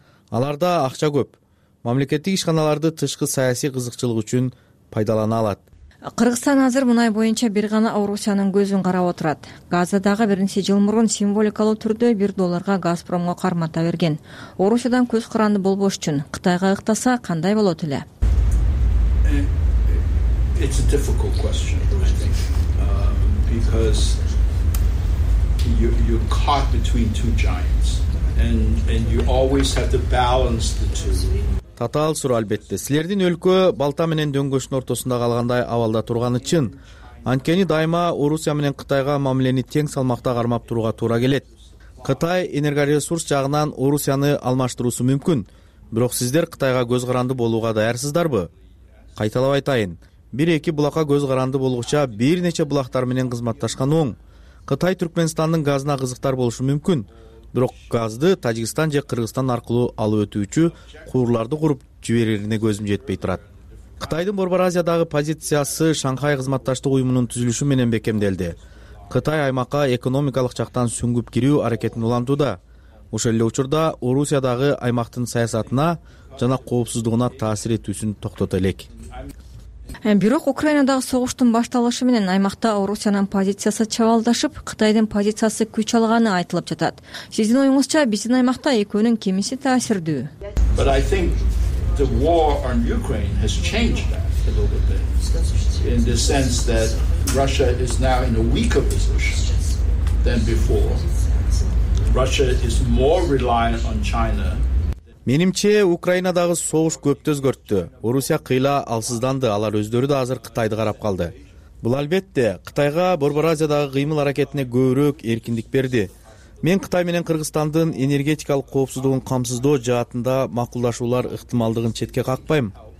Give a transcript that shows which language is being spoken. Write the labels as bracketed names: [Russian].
[Kyrgyz] Аларда акча көп. Мамлекеттик ишканаларды тышкы саясий кызыкчылык үчүн пайдалана алат. Кыргызстан азыр мунай боюнча бир гана Орусиянын көзүн карап отурат. Газа дагы бир нече жыл мурун символикалуу түрдө 1 долларга Газпромго кармата берген. Орусиядан көз каранды болбош үчүн Кытайга ыктаса кандай болот эле? [English] It's a difficult question, I think. Because you're caught between two giants and you always have to balance the two. [Kyrgyz] татаал суроо албетте. Силердин өлкө балта менен дөңгөчтүн ортосунда калгандай абалда турганы чын. Анткени дайыма Орусия менен Кытайга мамилени тең салмакта кармап турууга туура келет. Кытай энергоресурс жагынан Орусияны алмаштыруусу мүмкүн. Бирок сиздер Кытайга көз каранды болууга даярсыздарбы? Кайталап айтайын. 1-2 булакка көз каранды болгуча бир нече булактар менен кызматташкан оң. Кытай Түркменстандын газына кызыктар болушу мүмкүн. Бирок газды Тажикстан же Кыргызстан аркылуу алып өтүүчү куурларды куруп жиберерине көзүм жетпей турат. Кытайдын Борбор Азиядагы позициясы Шанхай кызматташтык уюмунун түзүлүшү менен бекемделди. Кытай аймакка экономикалык жактан сүңгүп кирүү аракетин улантууда. Ошол эле учурда Орусиядагы аймактын саясатына жана коопсуздугуна таасир этүүсүн токтото элек. Бирок Украинадагы согуштун башталышы менен аймакта Орусиянын позициясы чабалдашып, Кытайдын позициясы күч алганы айтылып жатат. Сиздин оюңузча биздин аймакта экөөнүн кемиси таасирдүү? [English] But I think the war on Ukraine has changed that a little bit in the sense that Russia is now in a weaker position than before. Russia is more reliant on China. [Kyrgyz] Менимче, Украинадагы согуш көптө өзгөрттү. Орусия кыйла алсызданды, алар өздөрү да азыр Кытайды карап калды. Бул албетте Кытайга Борбор Азиядагы кыймыл аракетине көбүрөөк эркиндик берди. Мен Кытай менен Кыргызстандын энергетикалык коопсуздугун камсыздоо жаатында макулдашуулар ыктымалдыгын четке какпайм.